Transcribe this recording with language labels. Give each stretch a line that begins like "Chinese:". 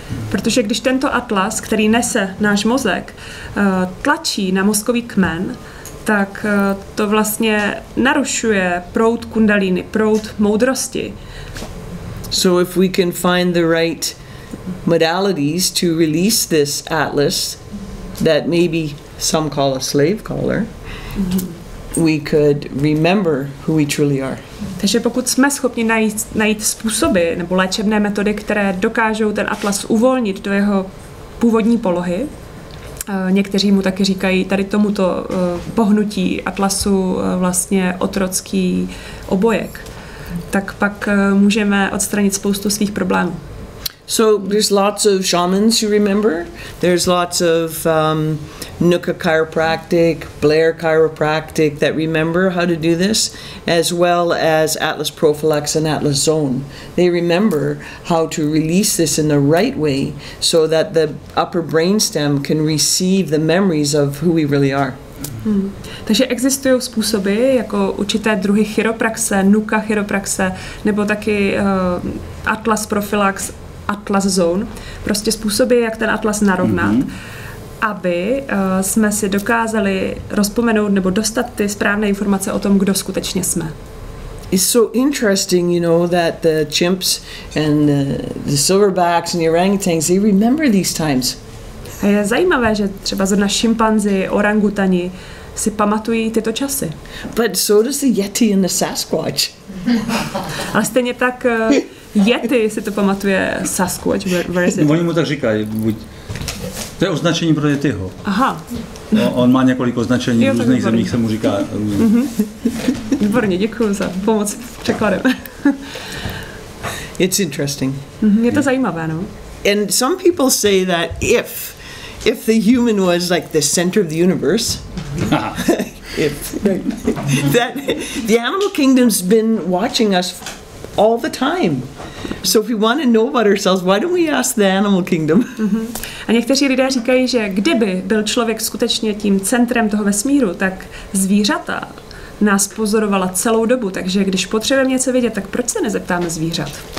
Czech: Protože když tento atlas, který nese náš mozek, tlačí na mozkový kmen, tak to vlastně narušuje proud kundalíny, proud moudrosti.
English: So if we can find the right modalities to release this atlas that maybe some call a slave caller, we could remember who we truly are.
Czech: Takže pokud jsme schopni najít způsoby nebo léčebné metody, které dokážou ten atlas uvolnit do jeho původní polohy, někteří mu taky říkají tady tomuto pohnutí atlasu vlastně otrocký obojek, tak pak můžeme odstranit spoustu svých problémů.
English: So there's lots of shamans you remember. There's lots of Nuka chiropractic, Blair chiropractic that remember how to do this, as well as Atlas Prophylax and Atlas Zone. They remember how to release this in the right way so that the upper brainstem can receive the memories of who we really are. Hmm.
Czech: Takže existují způsoby jako určité druhy chiropraxe, Nuka chiropraxe, nebo taky Atlas Prophylax, Atlas Zone, prostě způsoby, jak ten atlas narovnat, aby jsme si dokázali rozpomenout nebo dostat ty správné informace o tom, kdo skutečně jsme.
English: It's so interesting, you know, that the chimps and the silverbacks and the orangutans, they remember these times.
Czech: A je zajímavé, že třeba zrovna šimpanzi, orangutani si pamatují tyto časy.
English: But so does the Yeti and the Sasquatch.
Czech: Ale stejně tak Yeti si to pamatuje Sasquatch,
English: where is
Czech: it? Oni mu tak říkají, buď. To je označení pro Yetiho. Aha. On má několik označení, v různých zemích se mu říká různě. Výborně, děkuju za pomoc překladem.
English: It's interesting.
Czech: Je to zajímavé, no.
English: And some people say that if the human was like the center of the universe, if that the animal kingdom's been watching us all the time. So if we want to know about ourselves, why don't we ask the animal kingdom?
Czech: A někteří lidé říkají, že kdyby byl člověk skutečně tím centrem toho vesmíru, tak zvířata nás pozorovala celou dobu, takže když potřebujeme něco vědět, tak proč se nezeptáme zvířat?